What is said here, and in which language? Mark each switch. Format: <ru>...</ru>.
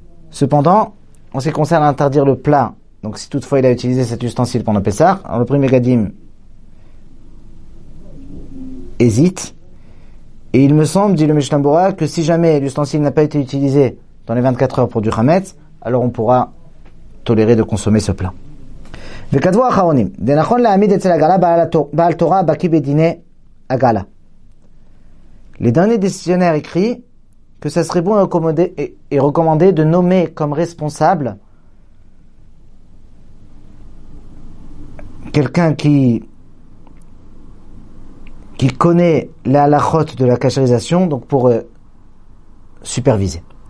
<fr>Cependant, en ce qui concerne interdire le plat, donc si toutefois il a utilisé cet ustensile pendant Pessah, alors le premier Gadim hésite. Et il me semble, dit le Mishnah Bura, que si jamais l'ustensile n'a pas été utilisé dans les 24 heures pour du Hametz, alors on pourra tolérer de consommer ce plat.</fr> <he>וכתבו האחרונים, דנכון להעמיד אצל הגעלה בעל תורה בקי בדיני הגעלה.</he> <fr>Les derniers décisionnaires écrit que ça serait bon et recommandé de nommer comme responsable quelqu'un qui connaît la halakhot de la kasherisation, donc pour superviser.</fr>